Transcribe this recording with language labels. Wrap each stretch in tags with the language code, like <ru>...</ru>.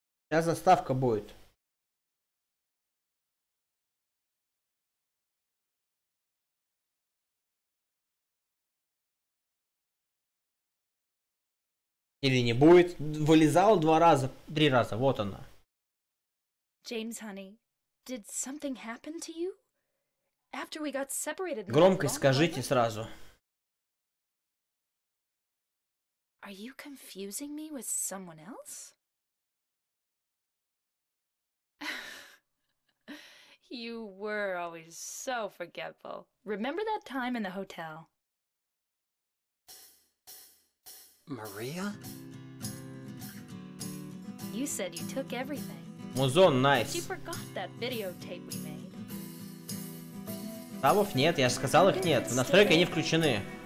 <ru>Сейчас заставка будет. Или не будет. Вылезал два раза, три раза. Вот она.</ru> <en>James, honey, did something happen to you? After we got separated,</en> <ru>громко скажите сразу.</ru> <en>Are you confusing me with someone else? You were always so forgetful. Remember that time in the hotel? Maria? You said you took everything.</en> <ru>Музон, nice.</ru> <en>She forgot that videotape we made.</en> <ru>Ставов нет, я сказал их нет. В настройки они включены.</ru>